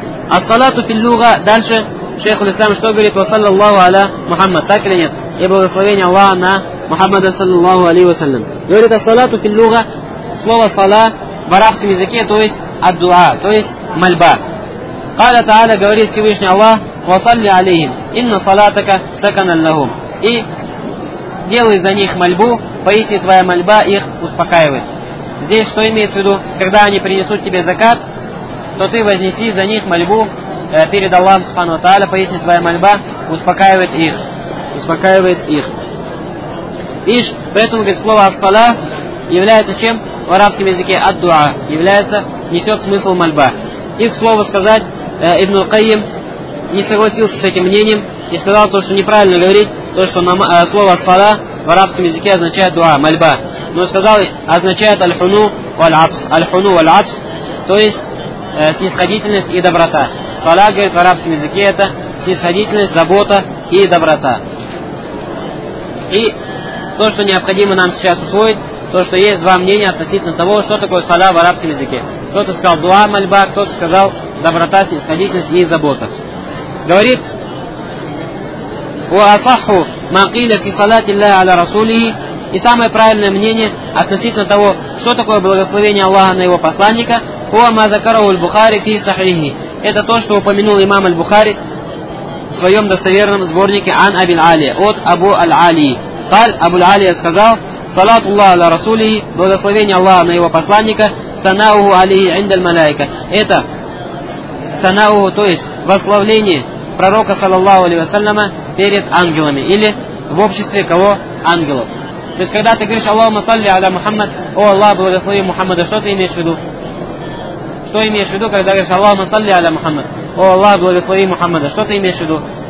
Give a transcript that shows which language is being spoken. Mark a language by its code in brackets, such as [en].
[ru] «Ас-салату филлюга». Дальше шейх ислам что говорит? «Вассаллаллаху аля Мухаммад». Так или нет? И благословение Аллаха на Мухаммада, саллаллаху алейхи вассалям. Говорит, «Ас-салату филлюга». Слово «сала» в арабском языке, то есть «аддуа», то есть «мольба». [ar] قال تعالى [ru] говорит Всевышний Аллах, [ar] وصلي عليهم إن صلاتك سكن لهم. [ru] И делай за них мольбу, поистине твоя мольба их успокаивает. Здесь что имеется в виду? Когда они принесут тебе закат, то ты вознеси за них мольбу перед Аллахом субхану ва тааля, поистине твоя мольба успокаивает их. Успокаивает их. Видишь, поэтому говорит, слово ас-сала является чем? В арабском языке ад-дуа является, несет смысл мольба. И к слову сказать, Ибн Аль-Кайим не согласился с этим мнением и сказал то, что неправильно говорить, то, что слово «сала» в арабском языке означает «дуа», «мольба». Но сказал, означает «аль-хуну валь-атф», «аль-хуну валь-атф», то есть снисходительность и доброта. «Сала», говорит в арабском языке, это снисходительность, забота и доброта. И то, что необходимо нам сейчас усвоить, то, что есть два мнения относительно того, что такое «сала» в арабском языке. Кто-то сказал «дуа», «мольба», кто-то сказал доброта, снисходительность и забота. Говорит, [ar] وَأَصَحُّ مَنْ قِيلَ فِي صَلَاتِ اللَّهِ عَلَى رَسُولِهِ. [ru] И самое правильное мнение относительно того, что такое благословение Аллаха на его посланника, [ar] هو ما ذكره البخاري في صحيحه. [ru] Это то, что упомянул имам Аль-Бухари в своем достоверном сборнике [ar] عن أبي العالية, [ru] от Абу Аль-Алии. [ar] قال, [ru] Абу Аль-Алия сказал, [ar] صَلَاتُ اللَّهِ عَلَى رَسُولِهِ, [ru] благословение Аллаха на его посланника, [ar] صَنَاؤُهُ عَلَيْهِ عِنْدَ الْمَلَائِكَةِ. [ru] Это санауху, то есть восславление пророка, саллаллаху алейхи ва саллям, перед ангелами или в обществе кого? Ангелов. То есть, когда ты говоришь «Аллахумма салли аля Мухаммад», «О Аллах, благослови Мухаммада», что ты имеешь в виду? Что имеешь в виду, когда говоришь «Аллахумма салли аля Мухаммад», «О Аллах, благослови Мухаммада», что ты имеешь в виду?